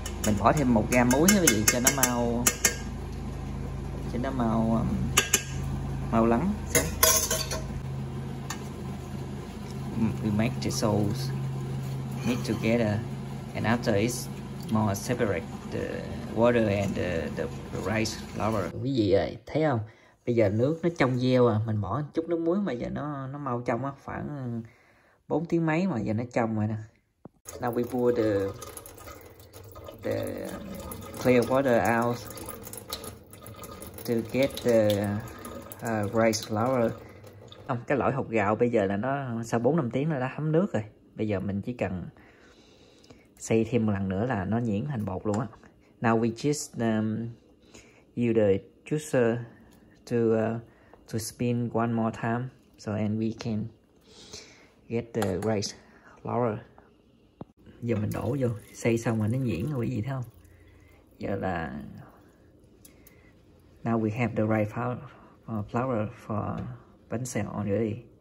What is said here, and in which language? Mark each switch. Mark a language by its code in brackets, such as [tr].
[vi] Mình bỏ thêm 1 gram muối nữa vậy cho nó màu màu lắng. [en] We make the salt mix together, and after it's more separate the water and the rice flour. [vi] Quý vị ơi, thấy không? Bây giờ nước nó trong veo à, mình bỏ chút nước muối mà giờ nó màu trong á, khoảng 4 tiếng mấy mà giờ nó trong rồi nè. [en] Now we pour the clear water out to get the rice flour. [vi] Không, cái loại hột gạo bây giờ là nó sau 4-5 tiếng là đã thấm nước rồi. Bây giờ mình chỉ cần xay thêm một lần nữa là nó nhuyễn thành bột luôn á. [en] Now we just use the juicer to spin one more time so and we can get the rice flour. [vi] Giờ mình đổ vô, xay xong rồi nó nhuyễn rồi quý vị thấy không? Giờ là [en] now we have the rice flour for bánh xèo already.